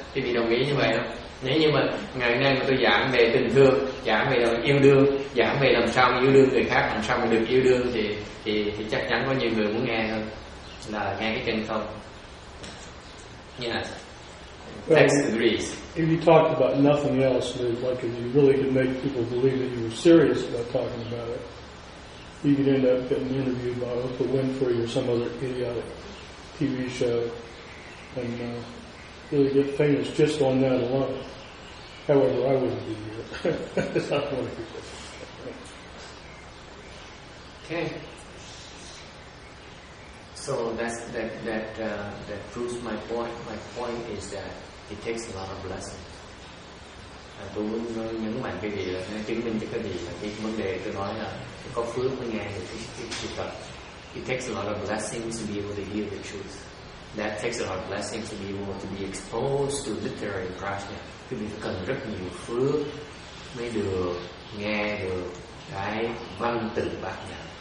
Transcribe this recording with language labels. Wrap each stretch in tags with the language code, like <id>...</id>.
<vi>Quý vị đồng ý như vậy không? Nếu như mà ngày nay mà tôi giảng về tình thương, giảng về yêu đương, giảng về làm sao mà yêu đương người khác, làm sao mà được yêu đương thì chắc chắn có nhiều người muốn nghe hơn là nghe cái chân không.</vi> <en>Yes. Text agrees. If you talked about nothing else, then like if you really could make people believe that you were serious about talking about it, you could end up getting interviewed by Oprah Winfrey or some other idiotic TV show and really get famous just on that alone. However, I wouldn't be here. It's not one of your questions. Okay. So, So that proves my point. My point is that it takes a lot of blessing.</en> <vi>Tôi muốn nhấn mạnh cái gì là chứng minh cho cái gì là cái vấn đề tôi nói là có phước mới nghe được cái sự thật.</vi> <en>It takes a lot of blessings to be able to hear the truth. That takes a lot of blessings to be able to be exposed to literary prajna.</en> <vi>Thì mình cần rất nhiều phước mới được nghe được cái văn từ bát nhã.</vi>